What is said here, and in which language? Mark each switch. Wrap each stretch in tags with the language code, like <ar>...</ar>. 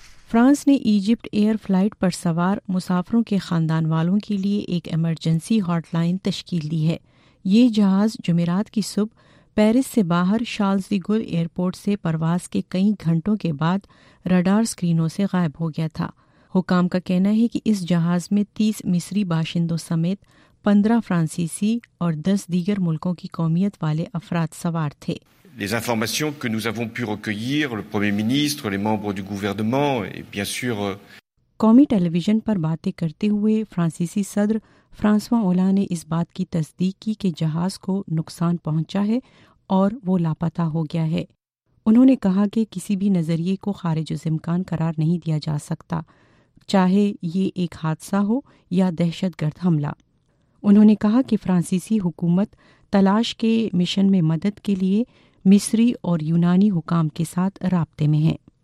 <ur>France نے Egypt year flight پر سوار مسافروں کے خاندان والوں کے لیے ایک ایمرجنسی ہاٹ لائن تشکیل دی ہے۔ یہ جہاز جمعرات کی صبح پیرس سے باہر شارلز دی گول ایئرپورٹ سے پرواز کے کئی گھنٹوں کے بعد رڈار سکرینوں سے غائب ہو گیا تھا۔ حکام کا کہنا ہے کہ اس جہاز میں 30 مصری باشندوں سمیت 15 فرانسیسی اور 10 دیگر ملکوں کی قومیت والے افراد سوار تھے۔</ur> <fr>Les informations que nous avons pu recueillir, le Premier ministre, les membres du gouvernement et bien sûr...</fr> <ur>قومی ٹیلیویژن پر باتیں کرتے ہوئے فرانسیسی صدر فرانسوا اولان نے اس بات کی تصدیق کی کہ جہاز کو نقصان پہنچا ہے اور وہ لاپتہ ہو گیا ہے۔ انہوں نے کہا کہ کسی بھی نظریے کو خارج از امکان قرار نہیں دیا جا سکتا، چاہے یہ ایک حادثہ ہو یا دہشت گرد حملہ۔ انہوں نے کہا کہ فرانسیسی حکومت تلاش کے مشن میں مدد کے لیے مصری اور یونانی حکام کے ساتھ رابطے میں ہیں۔</ur>